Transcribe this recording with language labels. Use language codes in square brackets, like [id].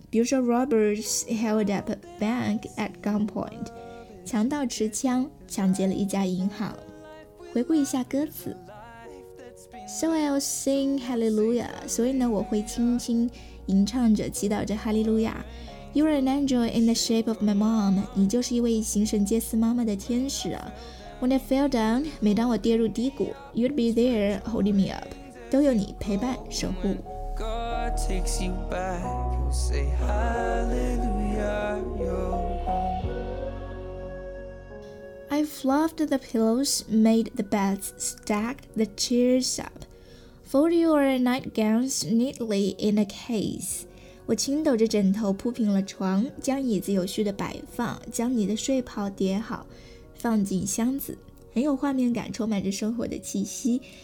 [zh] 比如说 [en] robbers held up a bank at gunpoint， [zh] 强盗持枪抢劫了一家银行。回顾一下歌词， [en] So I'll sing hallelujah. [zh] 所以呢，我会轻轻吟唱着，祈祷着哈利路亚。 [en] You are an angel in the shape of my mom. [zh] 你就是一位行神杰斯妈妈的天使啊。 [en] When I fell down, [zh] 每当我跌入低谷 [en] ，You'd be there holding me up. [zh] 都有你陪伴守护。 [en] God takes you back, you'll say hallelujah, you're home. I fluffed the pillows, made the beds, stacked the chairs up, folded your nightgowns neatly in a case. [zh] 我轻抖着枕头铺平了床，将椅子有序地摆放，将你的睡袍叠好，放进箱子。很有画面感，充满着生活的气息。